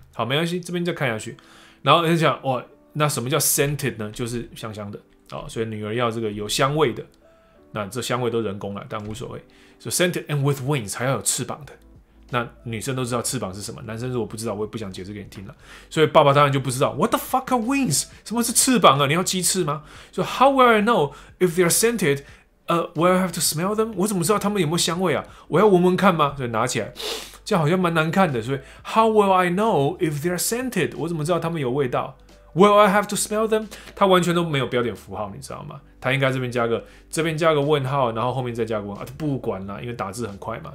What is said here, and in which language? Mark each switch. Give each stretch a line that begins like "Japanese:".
Chinese: 好，没关系，这边再看下去。然后就讲哇，那什么叫 scented 呢？就是香香的哦，所以女儿要这个有香味的，那这香味都人工了，但无所谓。所以
English: scented and with wings
Chinese: 还要有翅膀的。那女生都知道翅膀是什么，男生如果不知道，我也不想解释给你听了。所以爸爸当然就不知道 ，
English: What the fuck are wings？
Chinese: 什么是翅膀啊？你要鸡翅吗？所以
English: How will I know if they are scented？ Will I have to smell them？
Chinese: 我怎么知道他们有没有香味啊？我要闻闻看吗？所以拿起来，这样好像蛮难看的。所以
English: How will I know if they are scented？
Chinese: 我怎么知道他们有味道 ？
English: Will I have to smell them？
Chinese: 他完全都没有标点符号，你知道吗？他应该这边加个问号，然后后面再加个问号，他不管啦，因为打字很快嘛。